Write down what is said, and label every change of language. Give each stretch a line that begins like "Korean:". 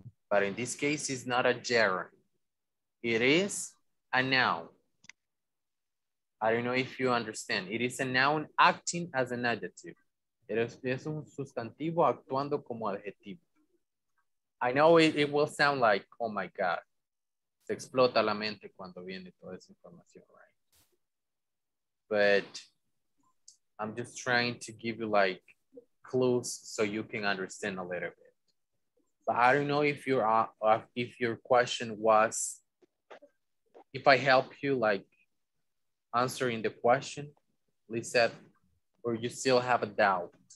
English: But in this case, it's not a gerund. It is a noun. I don't know if you understand. It is a noun acting as an adjective.
Spanish: Es un sustantivo actuando como adjetivo.
English: I know it will sound like, oh my God.
Spanish: Se explota la mente cuando viene toda esa información, right?
English: But I'm just trying to give you like clues so you can understand a little bit. But I don't know if your question was, if I help you like answering the question, Lizette, or you still have a doubt?